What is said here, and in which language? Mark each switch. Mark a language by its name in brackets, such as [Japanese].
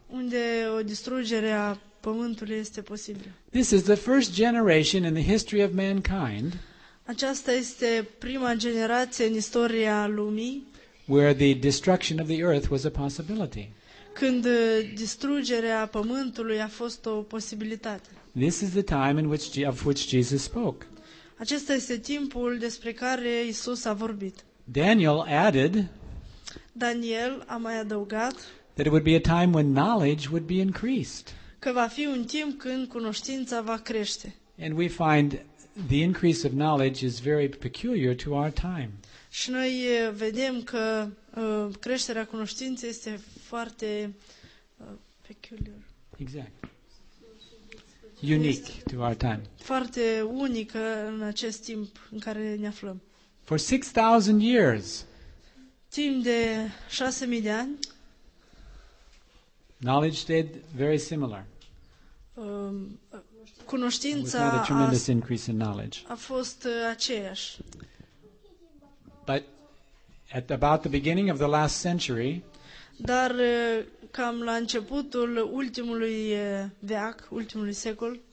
[Romanian] Unde o distrugere a pământului este posibilă. [English] This is the first generation in the history of mankind. [Romanian] Aceasta este prima generație în istoria lumii. [English] Where the destruction of the earth was a possibility. [Romanian] Când distrugerea pământului a fost o posibilitate. [English] This is the time in which of which Jesus spoke. [Romanian] Acesta este timpul despre care Isus a vorbit. [English] Daniel added. [Romanian] Daniel a mai adăugat. [English] That it would be a time when knowledge would be increased. [Romanian] Că va fi un timp când cunoștința va crește. [English] And we find the increase of knowledge is very peculiar to our time. [Romanian] Și noi vedem că creșterea cunoștinței este foarte peculiar. [English] Exact. Unique to our time. [Romanian] Foarte unică în acest timp în care ne aflăm. [English] For 6,000 years. [Romanian] Timp de 6,000 de ani. [English] Knowledge stayed very similar. [Romanian] Cunoștința a fost aceeași. [English] But at about the beginning of the last century, [Romanian] dar cam la începutul ultimului veac, ultimului secol,